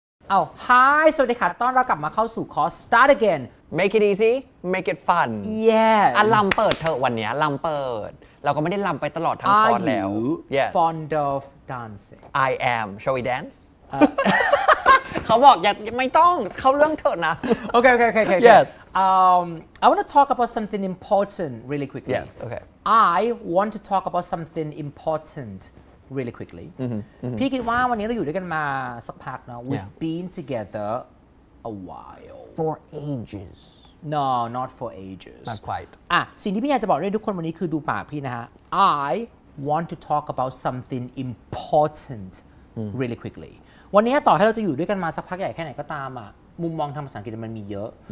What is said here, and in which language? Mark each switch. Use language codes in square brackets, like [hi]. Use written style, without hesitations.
[th] เอา Hi สวัสดีค่ะต้อนรับกลับมาเข้าสู่คอร์ส Start Again [en] Make it easy Make it fun Yes [th] อ่ะลำเปิดเธอวันนี้ลำเปิดเราก็ไม่ได้ลำไปตลอดทั้งคอร์สแล้ว [en] Yes Fond of dancing I am Shall we dance [th] เขาบอกอย่าไม่ต้องเข้าเรื่องเถอะนะ โอเคโอเคโอเคโอเค [en] Yes I want to talk about something important really quickly Yes okay I want to talk about something importantreally quickly [th] พี่คิดว่าวันนี้เราอยู่ด้วยกันมาสักพักเนาะ [en] we've been together a while for ages no not for ages not quite [th] อ่ะสิ่งที่พี่อยากจะบอกให้ทุกคนวันนี้คือดูปากพี่นะฮะ [en] I want to talk about something important really quickly [th] วันนี้ต่อให้เราจะอยู่ด้วยกันมาสักพักใหญ่แค่ไหนก็ตามอ่ะมุมมองทางภาษาอังกฤษมันมีเยอะ